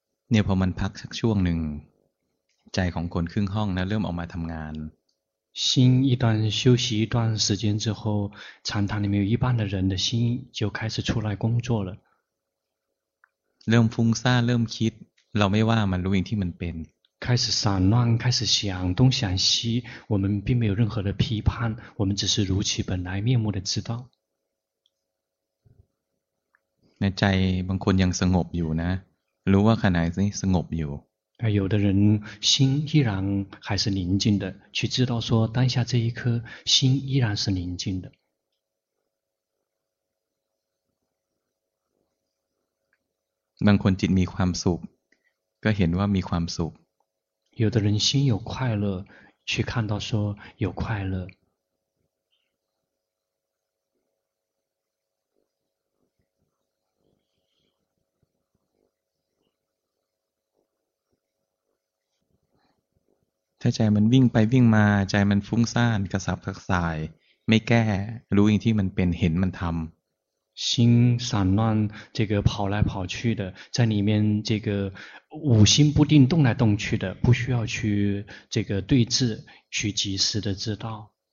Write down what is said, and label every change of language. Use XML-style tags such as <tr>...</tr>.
<th>เนี่ยพอมันพักสักช่วงหนึ่งใจของคนครึ่งห้องนะเริ่มออกมาทำงาน</th> <zh>心一旦休息一段时间之后禅堂里面有一半的人的心就开始出来工作了</zh> <th>เริ่มฟุ้งซ่านเริ่มคิดเราไม่ว่ามันรู้อย่างที่มันเป็น</th> <zh>开始散乱开始想东想西我们并没有任何的批判我们只是如其本来面目的知道</zh> <th>ในใจบางคนยังสงบอยู่นะรู้ว่าขณะนี้สงบอยู่</th> <zh>有的人心依然还是宁静的，去知道说当下这一刻心依然是宁静的。</zh> <th>บางคนจิตมีความสุขก็เห็นว่ามีความสุข。</th> <zh>有的人心有快乐，去看到说有快乐。</zh> <th>ถ้าใจมันวิ่งไปวิ่งมาใจมันฟุ้งซ่านกระสับกระส่ายไม่แก้รู้อย่างที่มันเป็นเห็นมันทำ</th> <zh>心散乱这个跑来跑去的在里面这个五心不定动来动去的不需要去这个对峙去及时的知道</zh>